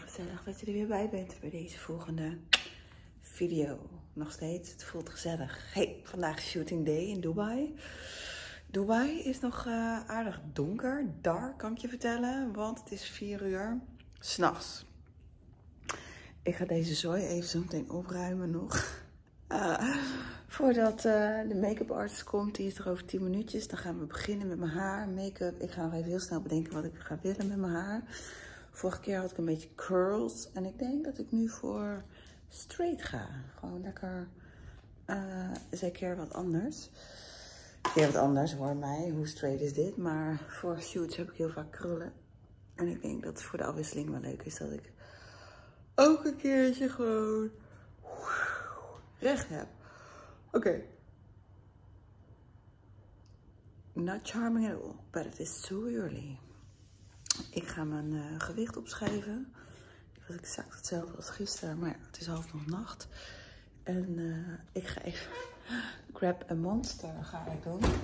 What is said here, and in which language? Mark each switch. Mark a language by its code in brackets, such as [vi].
[nl] Gezellig dat je er weer bij bent bij deze volgende video. Nog steeds, het voelt gezellig. Hey, vandaag is shooting day in Dubai. Dubai is nog aardig donker, dark kan ik je vertellen, want het is 4 uur 's nachts. Ik ga deze zooi even zo meteen opruimen nog. Voordat de make-up artist komt, die is er over 10 minuutjes. Dan gaan we beginnen met mijn haar, make-up. Ik ga nog even heel snel bedenken wat ik ga willen met mijn haar. Vorige keer had ik een beetje curls. En ik denk dat ik nu voor straight ga. Gewoon lekker, zeker wat anders. Keer wat anders hoor mij, hoe straight is dit. Maar voor shoots heb ik heel vaak krullen. En ik denk dat het voor de afwisseling wel leuk is dat ik ook een keertje gewoon recht heb. Oké. [en] Not charming at all, but it is too early. [nl] Ik ga mijn gewicht opschrijven. Ik was exact hetzelfde als gisteren, maar ja, het is half nog nacht. En ik ga even [en] grab a monster [nl] ga ik doen.